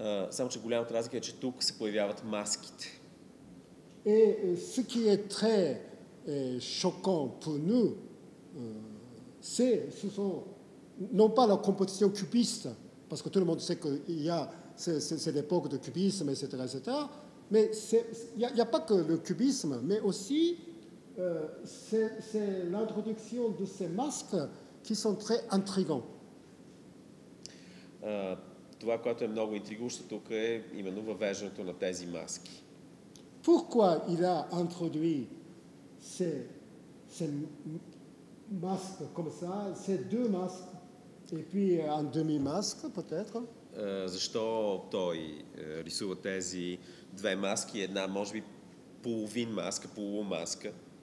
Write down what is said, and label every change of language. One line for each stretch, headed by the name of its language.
Bulgarian: Само че голямата разлика е, че тук се появяват маските.
French: Et ce qui est très choquant pour nous, c'est ce sont non pas la composition cubiste, parce que tout le monde sait qu'il y a c'est l'époque de cubisme, etc., etc. Mais il y a pas que le cubisme, mais aussi c'est l'introduction de ces masques qui sont très intrigants.
Bulgarian: Това, което е много интригуващо тук е именно въвеждането на тези маски.
French: Pourquoi il a introduit ces masques comme ça, ces deux masques, et puis un demi-masque peut-être?
Bulgarian: Защо той рисува тези две маски, една може би половин маска, полумаска?